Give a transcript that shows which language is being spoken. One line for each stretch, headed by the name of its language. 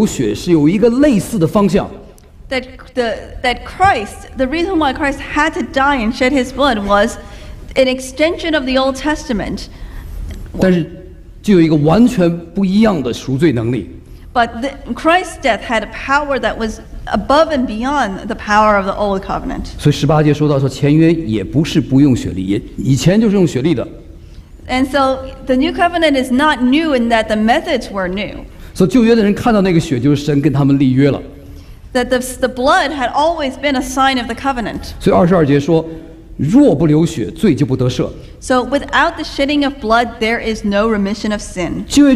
Chinese: 说耶稣基督的舍命流血是跟旧约的献祭流血是有一个类似的方向。
English: That Christ, the reason why Christ had to die and shed his blood was an extension of the Old Testament.
Chinese: 但是就有一个完全不一样的赎罪能力。
English: But Christ's death had a power that was above and beyond the power of the Old Covenant.
Chinese: 所以十八节说到说前约也不是不用血力，以前就是用血力的。
English: And so the New Covenant is not new in that the methods were new.
Chinese: 所以旧约的人看到那个血就是神跟他们立约了。
English: That the blood had always been a sign of the covenant.
Chinese: 所以二十二节说， 若不流血，罪就不得赦。
English: So without the shedding of blood, there is no remission of sin.